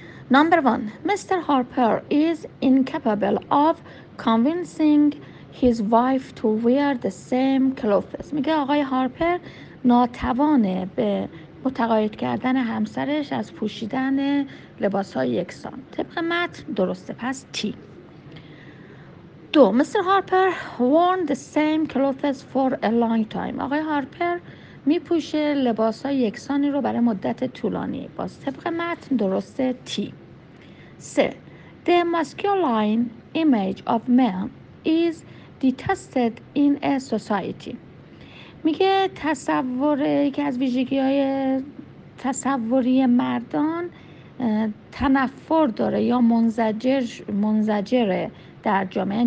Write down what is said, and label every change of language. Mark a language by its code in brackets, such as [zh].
[en] Number one, Mr. Harper is incapable of convincing his wife to wear the same clothes. [fa] میگه آقای هارپر ناتوانه به متقاعد کردن همسرش از پوشیدن لباسهای یکسان. طبق متن درسته، پس تی. دو, Mr. [en] Harper worn the same clothes for a long time. [fa] آقای هارپر میپوشه لباسهای یکسانی رو برای مدت طولانی. باز طبق متن درسته، تی. سه, [en] The masculine image of man is detested in a society. [fa] میگه تصور، یکی از ویژگی‌های تصوری مردان تنفر داره یا منزجره در جامعه.